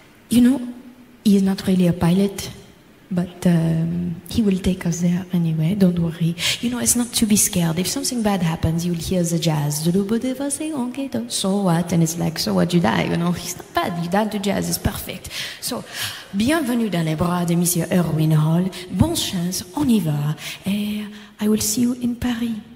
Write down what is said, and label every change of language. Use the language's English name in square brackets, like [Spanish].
[English] You know, he is not really a pilot, but he will take us there anyway, don't worry. You know, it's not to be scared. If something bad happens, you'll hear the jazz. So what? And it's like, so what, you die, you know? It's not bad, you die to jazz, it's perfect. [French] So, bienvenue dans les bras de Monsieur Irwin Hall. Bonne chance, on y va. [English] Et I will see you in Paris.